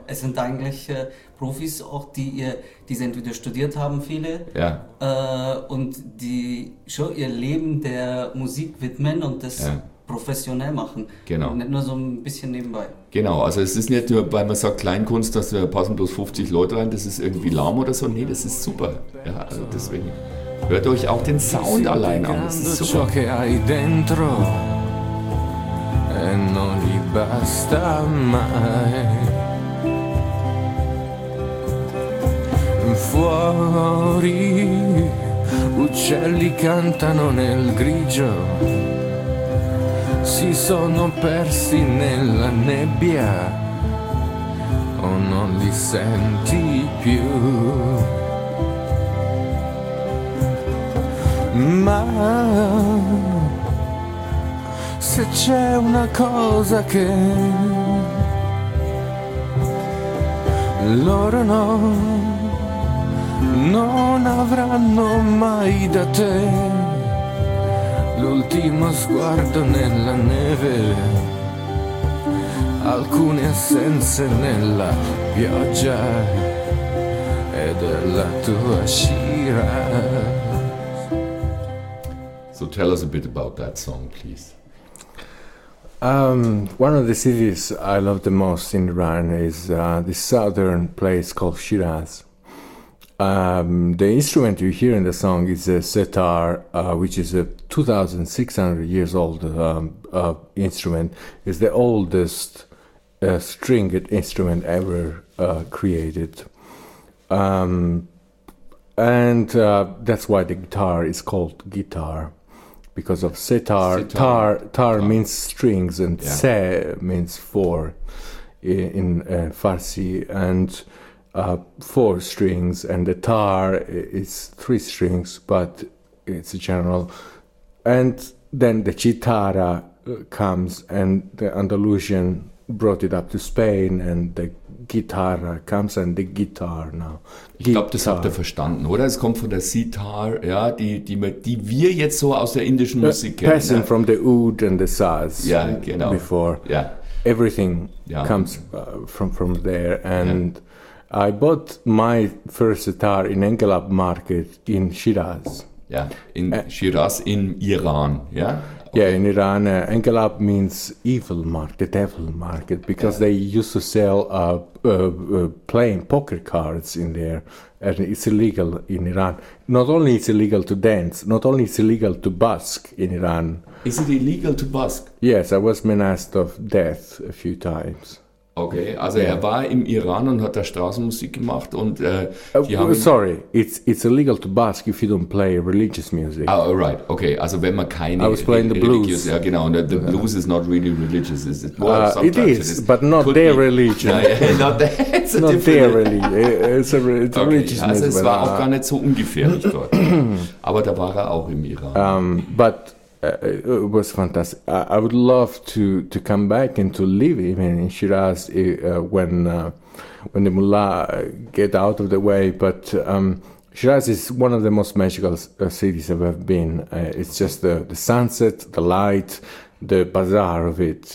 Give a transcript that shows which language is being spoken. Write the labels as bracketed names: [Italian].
[German] Es sind eigentlich Profis auch, die sie entweder studiert haben, viele, und die schon ihr Leben der Musik widmen und das professionell machen. Genau. Nicht nur so ein bisschen nebenbei. Genau, also es ist nicht nur, weil man sagt Kleinkunst, dass da passen bloß 50 Leute rein, das ist irgendwie lahm oder so. Nee, das ist super. Ja, also deswegen. Hört euch auch den Sound allein an, das ist super. [Italian] Ciò che hai dentro e non gli basta mai. Fuori uccelli cantano nel grigio. Si sono persi nella nebbia o non li senti più. Ma se c'è una cosa che loro non avranno mai da te. L'ultimo sguardo nella neve, alcune assenze nella pioggia e della tua scira. [English] So tell us a bit about that song, please. One of the cities I love the most in Iran is the southern place called Shiraz. The instrument you hear in the song is a sitar, which is a 2,600 years old instrument. It's the oldest stringed instrument ever created. And that's why the guitar is called guitar, because of sitar. Tar means strings, and yeah. Se means four in Farsi. And four strings, and the tar is three strings, but it's a general. And then the chitarra comes, and the Andalusian brought it up to Spain, and the guitarra comes, and the guitar now. [German] Ich glaube, das habt ihr verstanden, oder? Es kommt von der Sitar, ja, die wir jetzt so aus der indischen Musik kennen. [English] Passing from the oud and the saz. Yeah, genau. Before. Yeah. Everything yeah. comes from there, and yeah. I bought my first sitar in Enghelab Market in Shiraz. Yeah, in Shiraz in Iran, yeah? Okay. Yeah, in Iran. Enghelab means evil market, the devil market, because they used to sell playing poker cards in there. And it's illegal in Iran. Not only it's illegal to dance, not only it's illegal to busk in Iran. Is it illegal to busk? Yes, I was menaced of death a few times. [German] Okay, also yeah. Er war im Iran und hat da Straßenmusik gemacht und [English] sorry, it's illegal to busk if you don't play religious music. Oh, right, okay, [German] also wenn man keine... [English] I was playing the blues. [German] Ja, genau, [English] and the blues is not really religious, is it? Well, it is, but not their religion. not their religion, it's a okay. religious [German] Also es war auch gar nicht so ungefährlich dort. Aber da war er auch im Iran. [English] It was fantastic. I would love to come back and to live even in Shiraz when the mullah get out of the way. But Shiraz is one of the most magical cities I've ever been. It's just the sunset, the light, the bazaar of it.